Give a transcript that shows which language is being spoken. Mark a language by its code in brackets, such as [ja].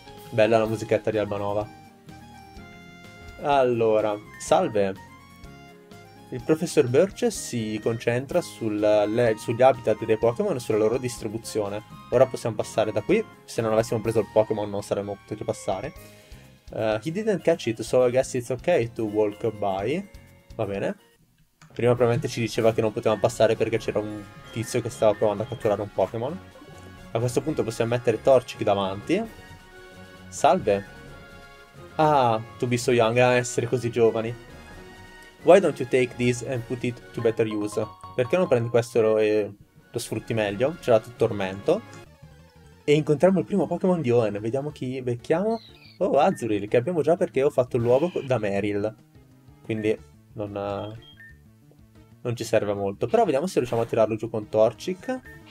[it] Bella la musichetta di Albanova. Allora, salve. Il professor Birch si concentra sugli habitat dei Pokémon e sulla loro distribuzione. Ora possiamo passare da qui, se non avessimo preso il Pokémon non saremmo potuti passare. [en] He didn't catch it, so I guess it's okay to walk by. [it] Va bene? Prima probabilmente ci diceva che non potevamo passare perché c'era un tizio che stava provando a catturare un Pokémon. A questo punto possiamo mettere Torchic davanti. Salve. [en] Ah, to be so young, [it] a essere così giovani. [en] Why don't you take this and put it to better use? [it] Perché non prendi questo e lo sfrutti meglio? C'è dato tormento. E incontriamo il primo Pokémon di Hoenn. Vediamo chi becchiamo. Oh, Azuril, che abbiamo già perché ho fatto l'uovo da Meryl. Quindi non ci serve molto, però vediamo se riusciamo a tirarlo giù con Torchic.